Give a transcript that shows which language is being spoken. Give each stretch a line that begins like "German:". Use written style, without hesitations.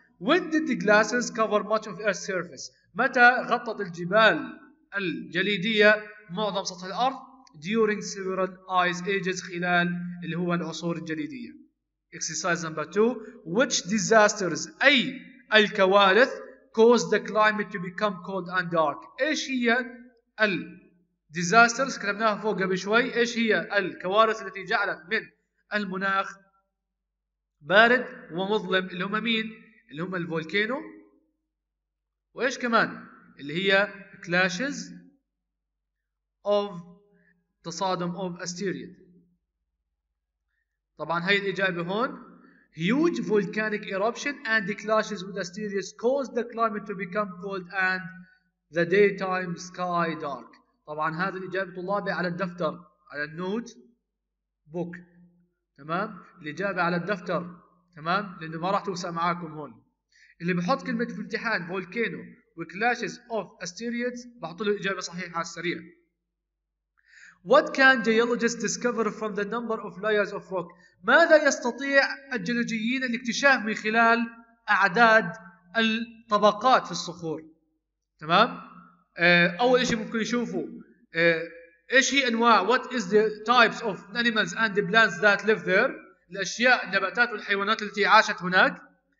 English: When did the glaciers cover much of Earth's surface?
Arabic: متى غطت الجبال الجليدية معظم سطح الأرض؟
English: During several ice ages
Arabic: خلال اللي هو العصور الجليدية.
English: Exercise number 2. Which disasters?
Arabic: أي الكوارث
English: caused the climate to become cold and dark.
Arabic: ايش هي ال disasters كلمناها فوق قبل شوي. ايش هي الكوارث التي جعلت من المناخ بارد ومظلم اللي هم مين اللي هم الفولكينو وايش كمان اللي هي
English: clashes of
Arabic: تصادم of asteroid. طبعا هاي الإجابة هون
English: huge volcanic eruption and the clashes with asteroids caused the climate to become cold and the daytime sky dark.
Arabic: طبعا هذا الإجابة طلابي على الدفتر على النوت بوك تمام. الإجابة على الدفتر تمام لأنه ما راح توسع معاكم هون. اللي بحط كلمة في الامتحان volcano وclashes of asteroids بحطله إجابة صحيحة على السريع.
English: What can geologists discover from the number of layers of rock?
Arabic: ماذا يستطيع الجيولوجيين الاكتشاف من خلال أعداد الطبقات في الصخور؟ تمام؟ أول شيء ممكن يشوفوا إيش هي أنواع
English: What is the types of animals and the plants that live there؟
Arabic: الأشياء النباتات والحيوانات التي عاشت هناك.